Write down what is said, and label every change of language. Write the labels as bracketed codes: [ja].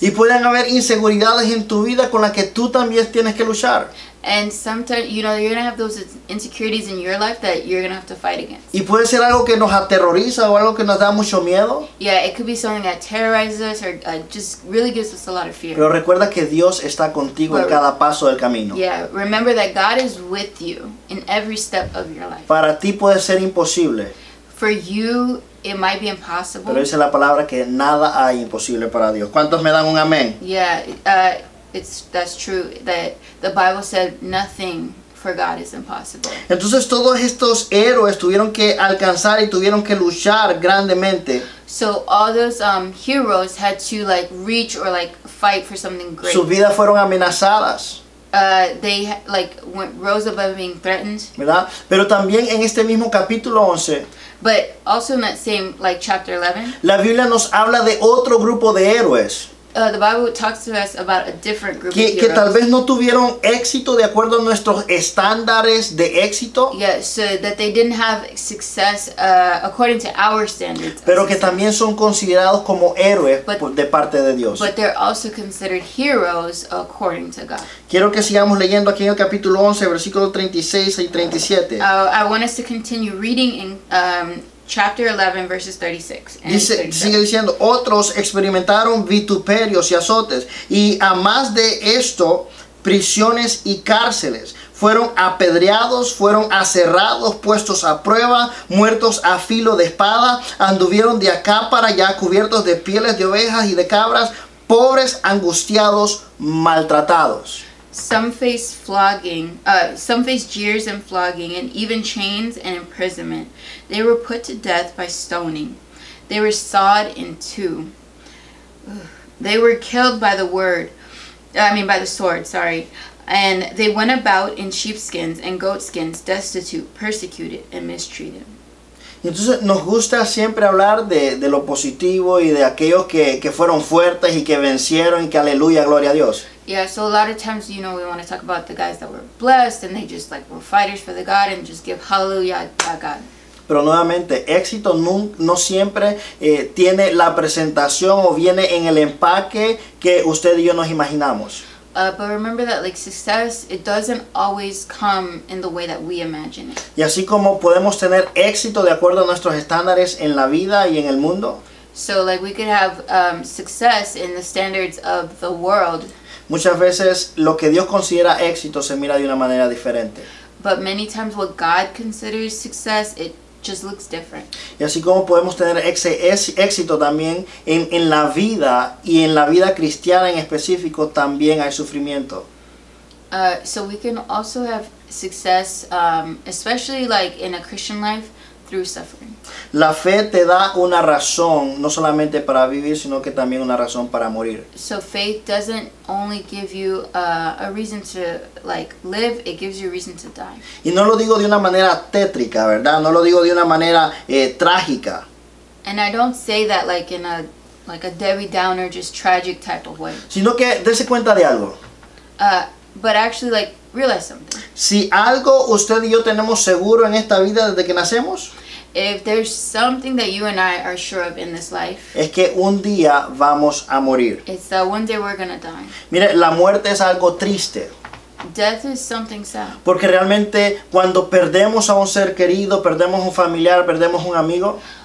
[es] Y pueden haber inseguridades en tu vida con las que tú también tienes que luchar. [en] And sometimes, you know, you're gonna have those insecurities in your life that you're gonna have to fight against. [es] Y puede ser algo que nos aterroriza o algo que nos da mucho miedo. [en] Yeah, it could be something that terrorizes us or just really gives us a lot of fear. [es] Pero recuerda que Dios está contigo en cada paso del camino. [en] Yeah, remember that God is with you in every step of your life. [es] Para ti puede ser imposible. [en] For you, it might be impossible. [es] Pero dice la palabra que nada hay imposible para Dios. ¿Cuántos me dan un amén? [en] That's true that the Bible said nothing for God is impossible. [es] Entonces todos estos héroes tuvieron que alcanzar y tuvieron que luchar grandemente. [en] So all those heroes had to like reach or like fight for something great. [es] Sus vidas fueron amenazadas. [en] They like rose above being threatened. [es] ¿Verdad? Pero también en este mismo capítulo 11. [en] But also in that same like chapter 11. [es] La Biblia nos habla de otro grupo de héroes. [en] The Bible talks to us about a different group of heroes. [es] Que tal vez no tuvieron éxito de acuerdo a nuestros estándares de éxito. [en] Yeah, so that they didn't have success according to our standards. [es] Pero que también son considerados como héroes de parte de Dios. [en] But they're also considered heroes according to God. [es] Quiero que sigamos leyendo aquí en el capítulo 11, versículos 36 y 37. [en] I want us to continue reading in Chapter 11, verses 36 and 37. [es] Sigue diciendo, otros experimentaron vituperios y azotes, y a más de esto, prisiones y cárceles. Fueron apedreados, fueron aserrados, puestos a prueba, muertos a filo de espada. Anduvieron de acá para allá cubiertos de pieles de ovejas y de cabras, pobres, angustiados, maltratados. [en] Some faced jeers and flogging, and even chains and imprisonment. They were put to death by stoning. They were sawed in two. They were killed by the sword. And they went about in sheepskins and goatskins, destitute, persecuted, and mistreated. [es] Entonces nos gusta siempre hablar de lo positivo y de aquellos que fueron fuertes y que vencieron y que aleluya, gloria a Dios. [en] Yeah, so a lot of times, you know, we want to talk about the guys that were blessed and they just like were fighters for the God and just give hallelujah to God. [es] Pero nuevamente, éxito no siempre tiene la presentación o viene en el empaque que usted y yo nos imaginamos. [en] But remember that like success, it doesn't always come in the way that we imagine it. [es] Y así como podemos tener éxito de acuerdo a nuestros estándares en la vida y en el mundo. [en] So like we could have success in the standards of the world. [es] Muchas veces lo que Dios considera éxito se mira de una manera diferente. [en] But many times what God considers success, it just looks different. [es] Y así como podemos tener éxito también en la vida y en la vida cristiana en específico, también hay sufrimiento. [en] So we can also have success, especially like in a Christian life, through suffering. [es] La fe te da una razón, no solamente para vivir, sino que también una razón para morir. [en] So faith doesn't only give you a reason to like live, it gives you a reason to die. [es] Y no lo digo de una manera tétrica, ¿verdad? No lo digo de una manera trágica. [en] And I don't say that like in a like a Debbie Downer, just tragic type of way. [es] Sino que dése cuenta de algo. [en] But actually like realize something. [es] Si algo usted y yo tenemos seguro en esta vida desde que nacemos, [en] if there's something that you and I are sure of in this life, [es] es que un día vamos a morir. [en] It's that one day we're gonna die. [es] Mire, la muerte es algo triste. [en] Death is something sad. [es] Porque realmente cuando perdemos a un ser querido, perdemos un familiar, perdemos un amigo,